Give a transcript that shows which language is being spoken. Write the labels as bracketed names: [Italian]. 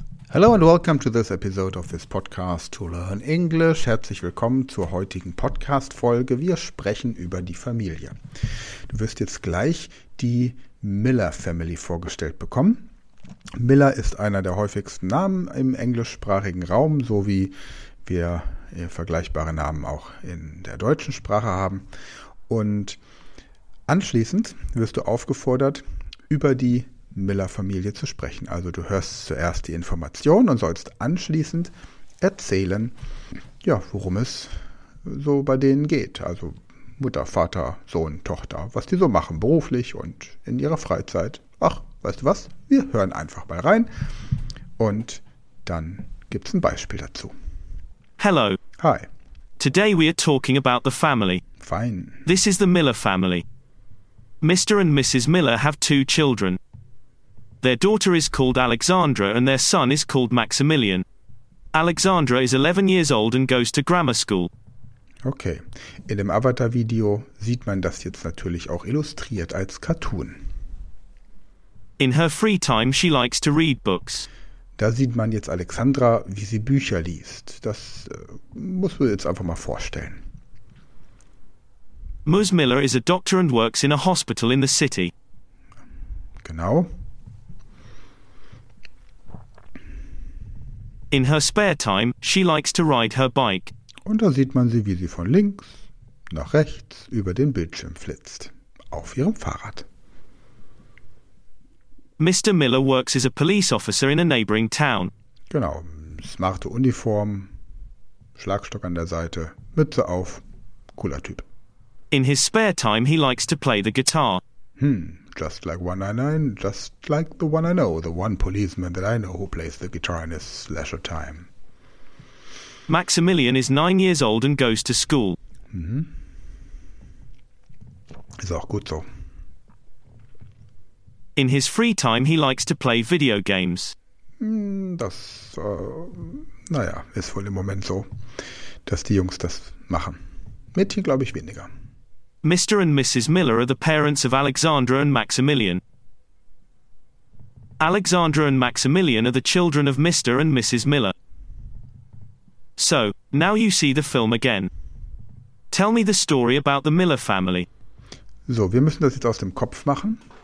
[English] Hello and welcome to this episode of this podcast to learn English. [German] Herzlich willkommen zur heutigen Podcast-Folge. Wir sprechen über die Familie. Du wirst jetzt gleich die Miller Family vorgestellt bekommen. Miller ist einer der häufigsten Namen im englischsprachigen Raum, so wie wir vergleichbare Namen auch in der deutschen Sprache haben. Und anschließend wirst du aufgefordert, über die Miller-Familie zu sprechen. Also du hörst zuerst die Information und sollst anschließend erzählen, ja, worum es so bei denen geht. Also Mutter, Vater, Sohn, Tochter, was die so machen beruflich und in ihrer Freizeit. Ach, weißt du was? Wir hören einfach mal rein und dann gibt's ein Beispiel dazu. [English] Hello. Hi. Today we are talking about the family. Fine. This is the Miller family. Mr. and Mrs. Miller have two children. Their daughter is called Alexandra and their son is called Maximilian. Alexandra is 11 years old and goes to grammar school. Okay. [German] In dem Avatar-Video sieht man das jetzt natürlich auch illustriert als Cartoon. [English] In her free time she likes to read books. [German] Da sieht man jetzt Alexandra, wie sie Bücher liest. Das muss man jetzt einfach mal vorstellen. [English] Ms. Miller is a doctor and works in a hospital in the city. [German] Genau. [English] In her spare time she likes to ride her bike. [German] Und da sieht man sie, wie sie von links nach rechts über den Bildschirm flitzt. Auf ihrem Fahrrad. [English] Mr. Miller works as a police officer in a neighboring town. [German] Genau, smarte Uniform, Schlagstock an der Seite, Mütze auf, cooler Typ. [English] In his spare time he likes to play the guitar. Just like 199, just like the one I know, the one policeman that I know who plays the guitar in his leisure time. Maximilian is 9 years old and goes to school. [German] Ist auch gut so. [English] In his free time he likes to play video games. [German] Das ist wohl im Moment so, dass die Jungs das machen. Mädchen glaube ich weniger. [English] Mr. and Mrs. Miller are the parents of Alexandra and Maximilian. Alexandra and Maximilian are the children of Mr. and Mrs. Miller. So, now you see the film again. Tell me the story about the Miller family. [German] So, wir müssen das jetzt aus dem Kopf machen.